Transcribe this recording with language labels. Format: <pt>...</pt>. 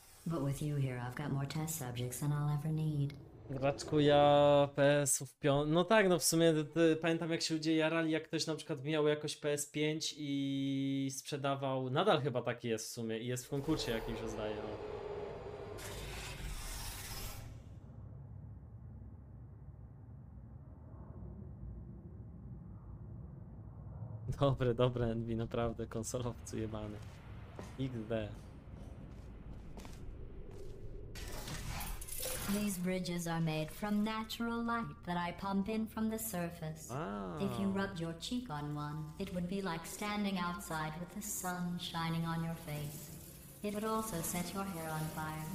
<en>But with you here, I've got more test subjects than I'll ever need.</en> <pl>Graczku, ja PS-ów piątki. No tak, no w sumie pamiętam, jak się ludzie jarali, jak ktoś na przykład miał jakoś PS5 i sprzedawał. Nadal chyba tak jest w sumie i jest w konkursie jakimś, zdaje. Dobre, dobre Envy, naprawdę konsolowcu jebany. XD.</pl> <en>These bridges are made from natural light that I pump in from the surface. Ah. If you rubbed your cheek on one, it would be like standing outside with the sun shining on your face. It would also set your hair on fire.</en>